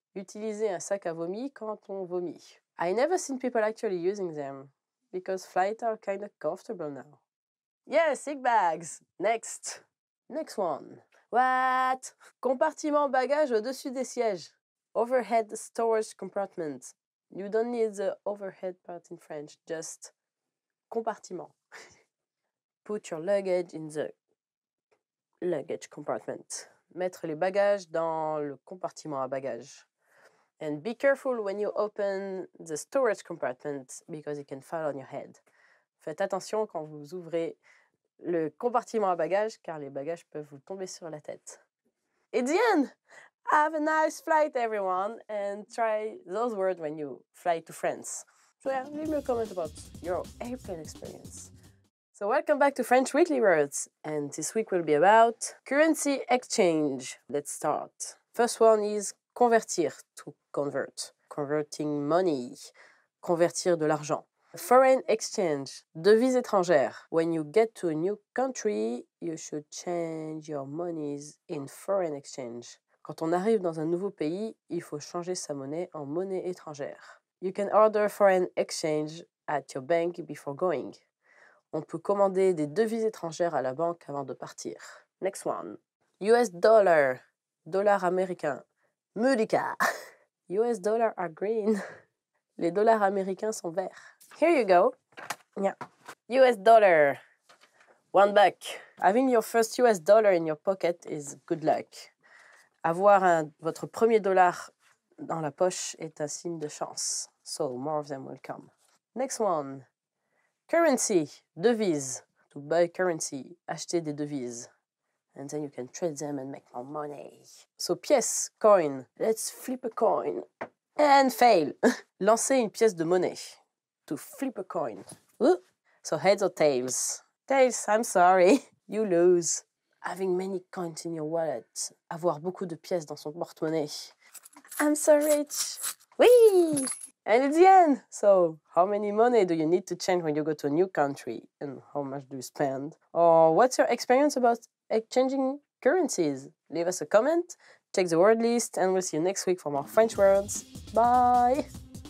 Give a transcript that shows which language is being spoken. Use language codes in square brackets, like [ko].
[fr] Utiliser un sac à vomi quand on vomit. [en] I never seen people actually using them because flights are kind of comfortable now. Yeah, sick bags. Next. Next one. What? [fr] Compartiment bagage au-dessus des sièges. [en] Overhead storage compartment. You don't need the overhead part in French, just compartiment. Put your luggage in the luggage compartment. [fr] Mettre les bagages dans le compartiment à bagages. [en] And be careful when you open the storage compartment because it can fall on your head. [fr] Faites attention quand vous ouvrez le compartiment à bagages car les bagages peuvent vous tomber sur la tête. [en] It's the end! Have a nice flight, everyone, and try those words when you fly to France. So yeah, leave me a comment about your airplane experience. So welcome back to French Weekly Words, and this week will be about currency exchange. Let's start. First one is convertir, to convert. Converting money, [fr] convertir de l'argent. [en] Foreign exchange, [fr] devise étrangère. [en] When you get to a new country, you should change your monies in foreign exchange. [fr] Quand on arrive dans un nouveau pays, il faut changer sa monnaie en monnaie étrangère. [en] You can order foreign exchange at your bank before going. [fr] On peut commander des devises étrangères à la banque avant de partir. [en] Next one. US dollar. [fr] Dollar américain. [en] Mudica. US dollar are green. [fr] Les dollars américains sont verts. [en] Here you go. Yeah. US dollar. $1. Having your first US dollar in your pocket is good luck. [fr] Avoir un, votre premier dollar dans la poche est un signe de chance. [en] So more of them will come. Next one. Currency. Devise. To buy currency. [fr] Acheter des devises. [en] And then you can trade them and make more money. So pièce. Coin. Let's flip a coin. And fail. [fr] Lancer une pièce de monnaie. [en] To flip a coin. [fr] Ooh. [en] So heads or tails. Tails, I'm sorry. You lose. Having many coins in your wallet. [fr] Avoir beaucoup de pièces dans son porte-monnaie. [en] I'm so rich. Oui! And it's the end. So, how many money do you need to change when you go to a new country? And how much do you spend? Or what's your experience about exchanging currencies? Leave us a comment, check the word list, and we'll see you next week for more French words. Bye!